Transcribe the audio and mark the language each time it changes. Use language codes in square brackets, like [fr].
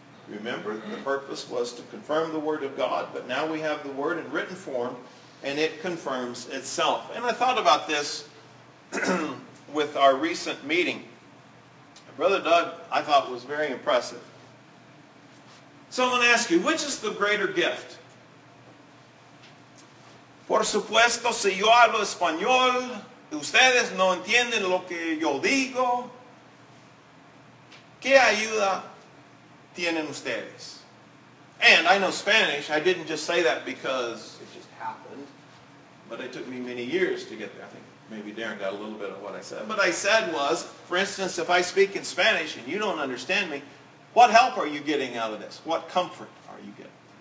[en] Remember, the purpose was to confirm the Word of God, but now we have the Word in written form, and it confirms itself. And I thought about this with our recent meeting. Brother Doug, I thought, was very impressive. Someone asked you, which is the greater gift? [es] Por supuesto, si yo hablo español, ustedes no entienden lo que yo digo, ¿qué ayuda tienen ustedes? [en] And I know Spanish. I didn't just say that because it just happened. But it took me many years to get there, I think. Maybe Darren got a little bit of what I said. What I said was, for instance, if I speak in Spanish and you don't understand me, what help are you getting out of this? What comfort are you getting?